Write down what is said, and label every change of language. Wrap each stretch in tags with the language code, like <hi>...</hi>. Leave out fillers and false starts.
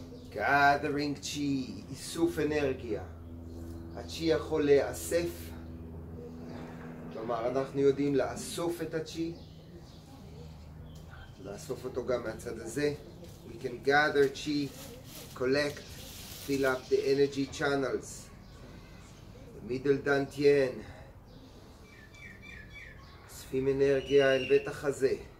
<en>Gathering chi,</en> <he>איסוף אנרגיה. הצ'י יכול לאסף. כלומר, אנחנו יודעים לאסוף את הצ'י. לאסוף אותו גם מהצד הזה.</he> <en>We can gather chi, collect, fill up the energy channels. The middle dantian.</en> <he>אוספים אנרגיה אל בית החזה.</he>